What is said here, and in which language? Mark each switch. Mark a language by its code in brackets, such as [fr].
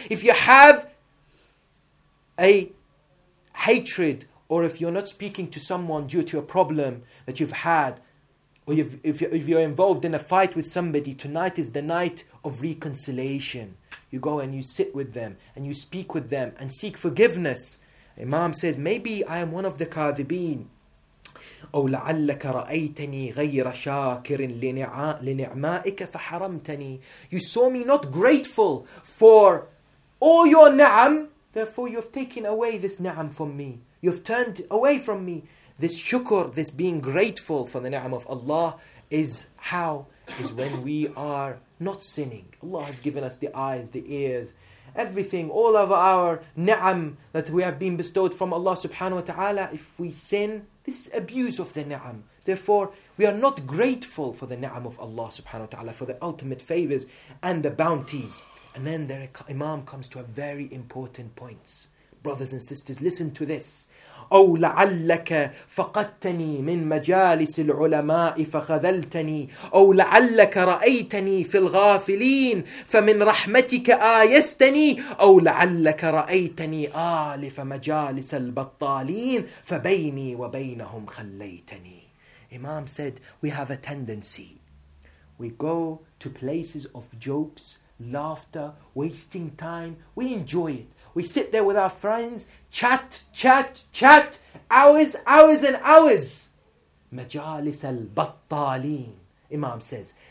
[en] If you have a hatred, or if you're not speaking to someone due to a problem that you've had, or if you're involved in a fight with somebody, tonight is the night of reconciliation. You go and you sit with them and you speak with them and seek forgiveness. Imam says, maybe I am one of the kadhibin. [ar] أو لعلك رأيتني غير شاكر لنعمائك فحرمتني. [en] You saw me not grateful for all your ni'am, therefore you have taken away this ni'am from me. You have turned away from me. This shukr, this being grateful for the ni'am of Allah, is how? Is when we are not sinning. Allah has given us the eyes, the ears, everything, all of our ni'am that we have been bestowed from Allah subhanahu wa ta'ala. If we sin, this is abuse of the ni'am. Therefore, we are not grateful for the ni'am of Allah subhanahu wa ta'ala, for the ultimate favors and the bounties. And then the imam comes to a very important point. Brothers and sisters, listen to this. [ar] أو لعلك فقدتني من مجالس العلماء فخذلتني. أو لعلك رأيتني في الغافلين فمن رحمتك آيستني. أو لعلك رأيتني آلف مجالس البطالين فبيني وبينهم خليتني. [en] Imam said, we have a tendency. We go to places of jokes, laughter, wasting time. We enjoy it. We sit there with our friends, chat, hours and hours. Majalis al-Battalin, Imam says.